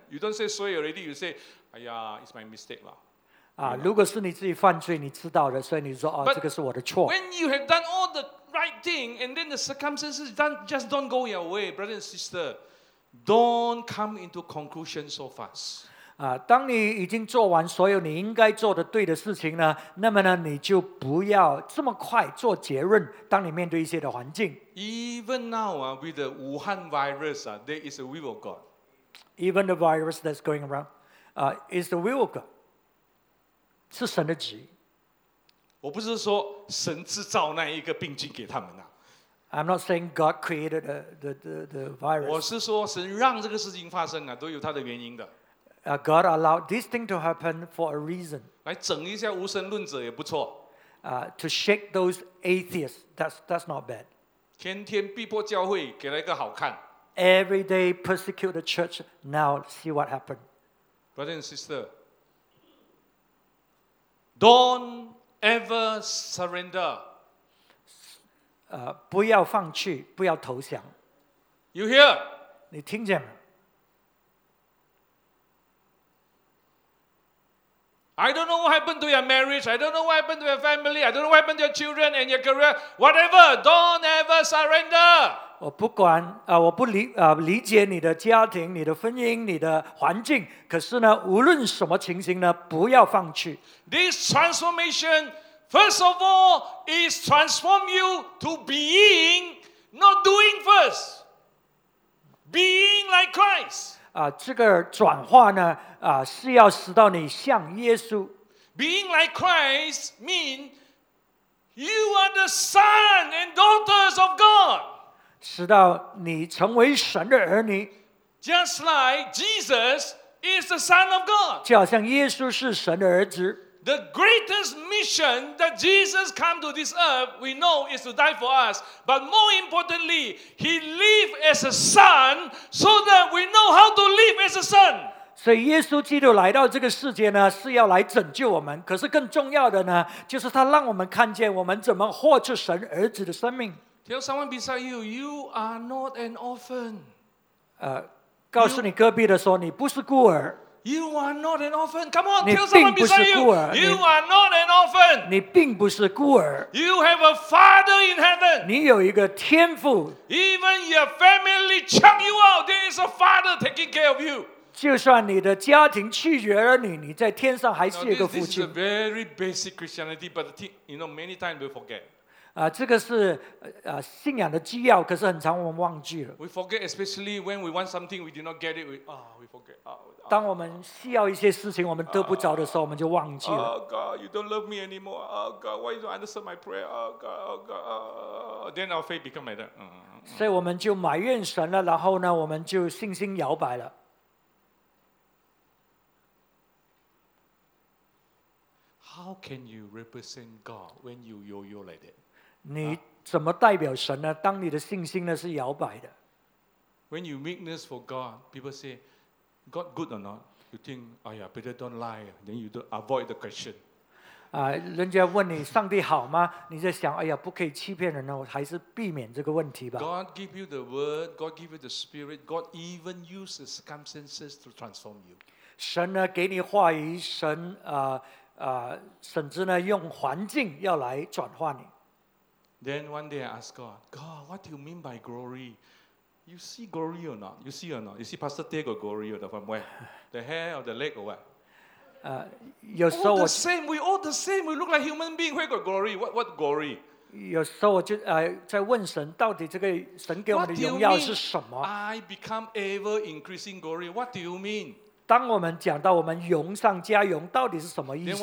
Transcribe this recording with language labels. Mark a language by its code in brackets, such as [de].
[en] You don't say sorry already. You say, "Aiya, it's my mistake lah." [zh] 如果是你自己犯罪，你知道的，所以你说哦， [en] But、 [zh] 这个是我的错。 [en] When you have done all the right thing, and then the circumstances just don't go your way, brother and sister, Don't come into conclusion so fast. [zh] 当你已经做完所有你应该做的对的事情呢，那么呢，你就不要这么快做结论。当你面对一些的环境 [en] ，Even now with the Wuhan virus, there is a will of God. Even the virus that's going around, is the will of God. [zh] 是神的旨意。我不是说神制造那一个病菌给他们呐。 [en] I'm not saying God created the virus. [zh] 我是说神让这个事情发生啊，都有他的原因的。 [en] God allowed this thing to happen for a reason. [zh] 来整一下无神论者也不错。 [en] To shake those atheists, that's not bad. [zh] 天天逼迫教会，给他一个好看。 [en] Every day persecute the church. Now see what happened. Brother and sister, don't ever surrender. [zh] 不要放弃，不要投降。 [en] You hear? [zh] 你听见吗？ [en] I don't know what happened to your marriage. I don't know what happened to your family. I don't know what happened to your children and your career. Whatever, don't ever surrender. [zh] 我不管我不理解你的家庭、你的婚姻、你的环境。可是呢，无论什么情形呢，不要放弃。 [en] This transformation, first of all, is transform you to being, not doing first. Being like Christ. [zh] 这个转化呢？是要使到你像耶稣。 [en] Being like Christ means you are the son and daughters of God. [zh] 使到你成为神的儿女。 [en] Just like Jesus is the son of God. [zh] 就好像耶稣是神的儿子。 [en] The greatest mission that Jesus came to this earth, we know, is to die for us. But more importantly, he lived as a son so that we know how to live as a son. [zh] 所以耶稣基督来到这个世界呢，是要来拯救我们。可是更重要的呢，就是他让我们看见我们怎么活出神儿子的生命。 [en] Tell someone beside you, you are not an orphan. [zh] 告诉你隔壁的说，你不是孤儿。 [en] You are not an orphan. Come on, tell someone beside you. You are not an orphan. [zh] 你并不是孤儿。 [en] You have a father in heaven. [zh] 你有一个天父。 [en] Even your family chuck you out, there is a father taking care of you. [zh] 就算你的家庭拒绝了你，你在天上还是有个父亲。 [en] Now, this is a very basic Christianity, but you know, many times we forget. [zh] 这个是信仰的基要，可是很常我们忘记了。 [en] We forget, especially when we want something we did not get it. We forget. [zh] 当我们需要一些事情我们得不着的时候，我们就忘记了。 [en] Oh God, you don't love me anymore. Oh God, why you don't answer my prayer? Oh God, oh God. Then our faith become like that. [zh] 所以我们就埋怨神了，然后呢，我们就信心摇摆了。 [en] How can you represent God when you yo-yo like that? [zh] 你怎么代表神呢？当你的信心呢是摇摆的。 [en] When you meekness for God, people say,God good or not? You think, oh yeah, better don't lie. Then you don't avoid the question. [zh] 人家问你上帝好吗？你在想，哎呀，不可以欺骗人呢，我还是避免这个问题吧。 [en] God give you the word. God give you the spirit. God even uses circumstances to transform you. [zh] 神呢，给你话语，神甚至呢，用环境要来转化你。 [en] Then one day I ask God, God, what do you mean by glory? You see glory or not? You see or not? You see Pastor Tay got glory or not? From where? The hair or the leg or what? All the same. We all the same. We look like human beings. Where got glory? What glory? [zh] 有时候我就在问神，到底这个神给我们的荣耀是什么 [en] ？What do you mean? I become ever increasing glory. What do you mean? [zh] 当我们讲到我们荣上加荣，到底是什么意思